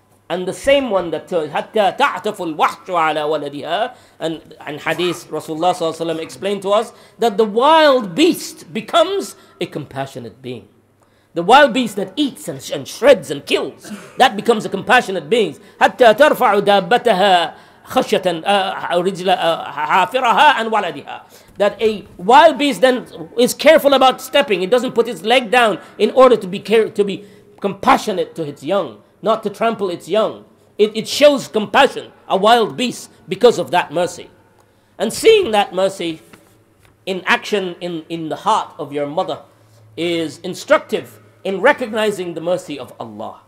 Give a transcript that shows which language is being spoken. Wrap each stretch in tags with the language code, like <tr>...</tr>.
<en>And the same one that</en> <ar>حتى تعتف الوحش على ولدها,</ar> <en>and hadith Rasulullah ﷺ explained to us that the wild beast becomes a compassionate being. The wild beast that eats and shreds and kills, that becomes a compassionate being.</en> <ar>حتى ترفع دابتها خشية رجل حافرها and ولدها.</ar> <en>That a wild beast then is careful about stepping. It doesn't put its leg down in order to be compassionate to its young, not to trample its young. It shows compassion, a wild beast, because of that mercy. And seeing that mercy in action in the heart of your mother is instructive in recognizing the mercy of Allah.</en>